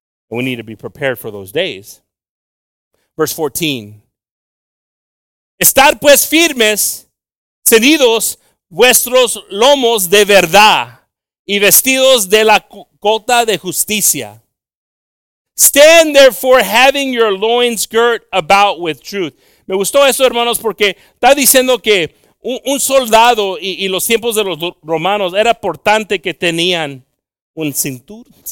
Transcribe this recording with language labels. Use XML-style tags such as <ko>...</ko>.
<en>We need to be prepared for those days. Verse 14.</en> <es>Estar pues firmes, ceñidos vuestros lomos de verdad y vestidos de la cota de justicia.</es> <en>Stand therefore having your loins girt about with truth.</en> <es>Me gustó eso, hermanos, porque está diciendo que un soldado y los tiempos de los romanos era importante que tenían un cinturón.</es>